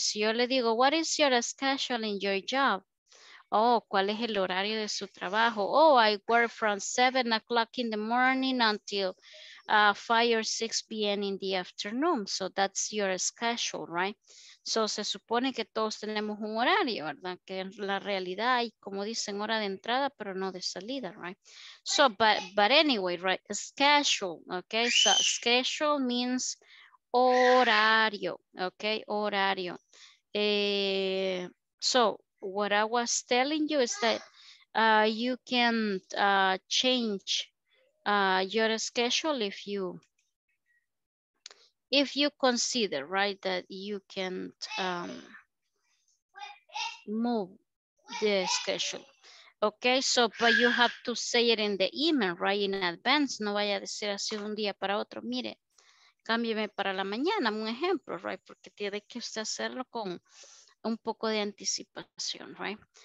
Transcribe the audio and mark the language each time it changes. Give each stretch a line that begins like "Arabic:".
English: So,
Spanish: yo le digo,
English: what is your schedule in your job?
Spanish: Oh, ¿cuál es el horario de su trabajo?
English: Oh, I work from 7 o'clock in the morning until 5 or 6 p.m. in the afternoon. So, that's your schedule, right?
Spanish: So, se supone que todos tenemos un horario, ¿verdad? Que en la realidad hay, como dicen, hora de entrada, pero no de salida, right?
English: So, but anyway, right? Schedule, okay? So, schedule means horario, okay? Horario. So, what I was telling you is that you can change your schedule if you consider, right, that you can move the schedule. Okay, so, but you have to say it in the email, right, in advance.
Spanish: No vaya a decir así un día para otro, mire, cámbieme para la mañana, un ejemplo, right, porque tiene que usted hacerlo con un poco de anticipación, right?